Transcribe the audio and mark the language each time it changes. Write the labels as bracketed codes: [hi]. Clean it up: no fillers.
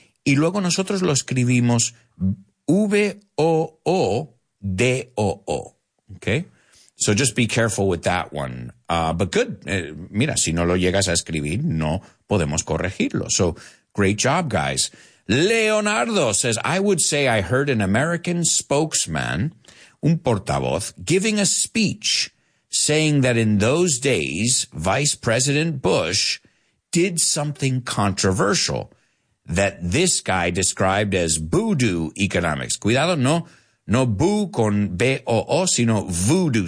[es] Y luego nosotros lo escribimos V-O-O-D-O-O, okay? [en] So just be careful with that one. But good. [es] Mira, si no lo llegas a escribir, no podemos corregirlo. [en] So great job, guys. Leonardo says, I would say I heard an American spokesman, un portavoz, giving a speech saying that in those days, Vice President Bush did something controversial that this guy described as voodoo economics. [es] Cuidado, no. No boo con B-O-O, sino voodoo.